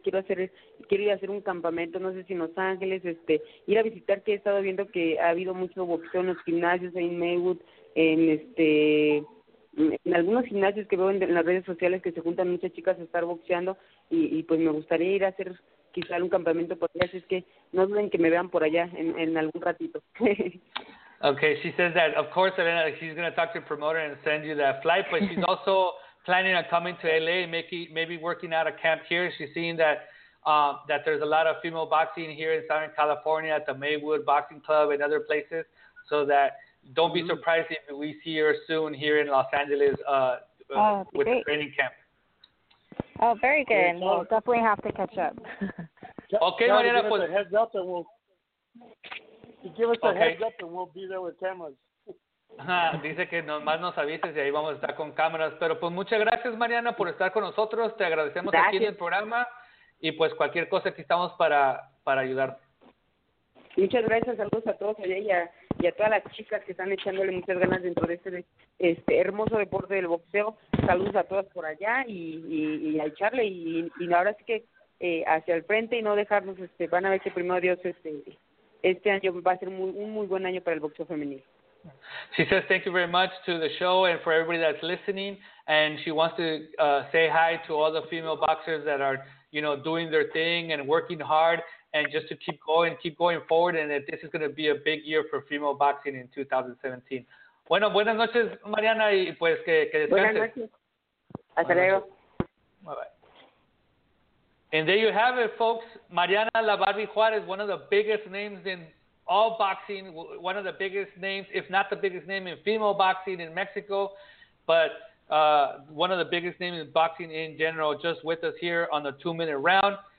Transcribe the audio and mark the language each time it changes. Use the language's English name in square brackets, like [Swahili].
[Spanish] Quiero ir a hacer un campamento, no sé si en Los Ángeles, ir a visitar, que he estado viendo que ha habido mucho boxeo en los gimnasios ahí en Maywood, en algunos gimnasios que veo en las redes sociales que se juntan muchas chicas a estar boxeando, y pues me gustaría ir a hacer quizá un campamento por allá, así es que no duden que me vean por allá en algún ratito. [English] Okay, she says that, of course, Elena, she's going to talk to your promoter and send you that flight, but she's also planning on coming to L.A., maybe working out a camp here. She's seeing that that there's a lot of female boxing here in Southern California at the Maywood Boxing Club and other places, so that don't be surprised if we see her soon here in Los Angeles with great. The training camp. Oh, very good. Great. We'll definitely have to catch up. Okay, no, Mariana. Give us a heads up and we'll... Give us a heads up and we'll be there with cameras. [Spanish] Dice que nomás nos avises y ahí vamos a estar con cámaras. Pero pues muchas gracias, Mariana, por estar con nosotros. Te agradecemos gracias. Aquí en el programa. Y pues cualquier cosa, aquí estamos para ayudar. Muchas gracias. Saludos a todos allá y a todas las chicas que están echándole muchas ganas dentro de este hermoso deporte del boxeo. Saludos a todas por allá y a echarle. Y ahora sí que hacia el frente y no dejarnos. Van a ver que primero Dios... Este año va a ser un muy buen año para el boxeo femenil. [English] She says thank you very much to the show and for everybody that's listening. And she wants to say hi to all the female boxers that are, you know, doing their thing and working hard and just to keep going forward, and that this is going to be a big year for female boxing in 2017. [Spanish] Bueno, buenas noches, Mariana, y pues que descanses. Buenas noches. Hasta luego. [English] Bye-bye. And there you have it, folks. Mariana La Barbie Juarez, one of the biggest names in all boxing, one of the biggest names, if not the biggest name in female boxing in Mexico, but one of the biggest names in boxing in general, just with us here on the two-minute round.